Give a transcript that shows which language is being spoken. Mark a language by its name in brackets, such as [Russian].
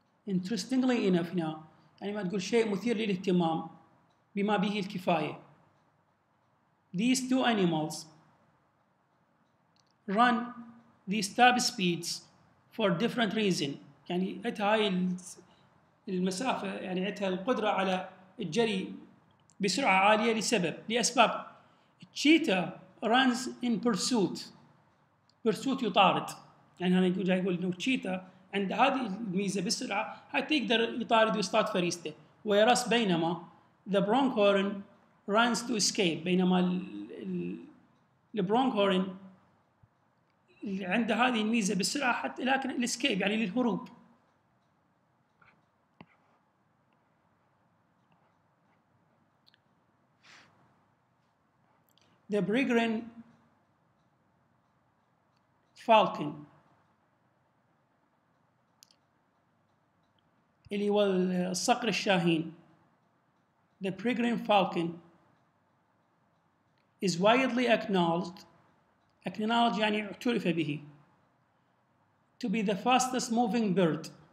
[English] Interestingly enough [Arabic] هنا يعني ما تقول شيء مثير للاهتمام بما به الكفاية. [English] These two animals run these top speeds for different reason. [Arabic] يعني عتها هاي المسافة يعني عتها القدرة على الجري بسرعة عالية لسبب لأسباب. [English] Cheetah runs in pursuit. Pursuit [Arabic] يطارد. يعني هنا يقول جاي يقول إنه cheetah عند هذه الميزة بالسرعة حتى يقدر يطارد ويصطاد فريسته ويرس، بينما [English] the bronghorn runs to escape. [Arabic] بينما البرونكورن عنده هذه الميزة بالسرعة حتى لكن الاسكيب يعني للهروب. [English] The peregrine falcon [Arabic] اللي هو الصقر الشاهين. [English] The peregrine falcon is widely acknowledged [Arabic] يعني اعترف به [English] to be the fastest moving bird.